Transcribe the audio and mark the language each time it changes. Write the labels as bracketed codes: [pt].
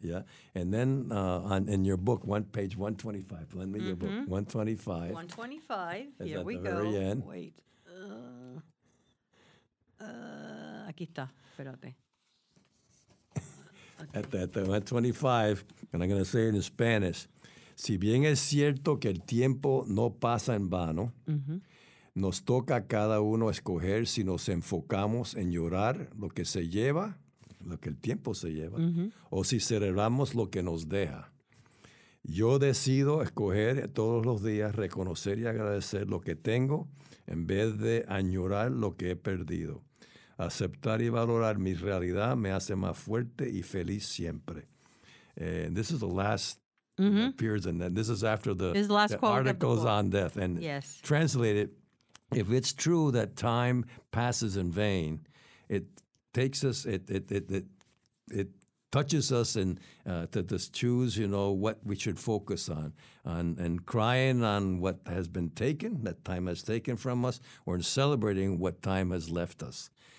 [en] Yeah. And then in your book, page 125. Lend me your book. 125. 125. Here we go. Very end. Wait. [es] Aquí está. Espérate. [en] At the 125, and I'm going to say it in Spanish. [es] Si bien es cierto que el tiempo no pasa en vano, nos toca a cada uno escoger si nos enfocamos en llorar lo que se lleva, lo que el tiempo se lleva, o si celebramos lo que nos deja. Yo decido escoger todos los días reconocer y agradecer lo que tengo en vez de añorar lo que he perdido. Aceptar y valorar mi realidad me hace más fuerte y feliz siempre. [en] And this is the last appears, and then this is after the articles on death. And yes, translated, if it's true that time passes in vain, it touches us and to just choose, you know, what we should focus on, and crying on what has been taken, that time has taken from us, or in celebrating what time has left us.